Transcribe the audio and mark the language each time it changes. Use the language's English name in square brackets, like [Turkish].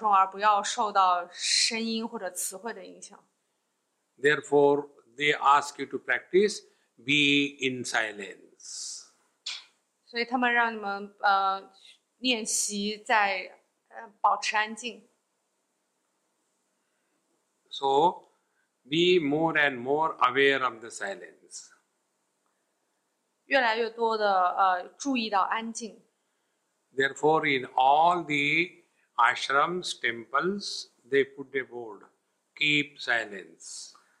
[Chinese] 那就是我们关注在我们的思想当中，而不要受到声音或者词汇的影响。 [English] Therefore, they ask you to practice be in silence. [Chinese] 所以他们让你们练习在保持安静。 [English] So, be more and more aware of the silence. [Chinese] 越来越多的注意到安静。 [English] Therefore, in all the ashrams, temples, they put a board, keep silence.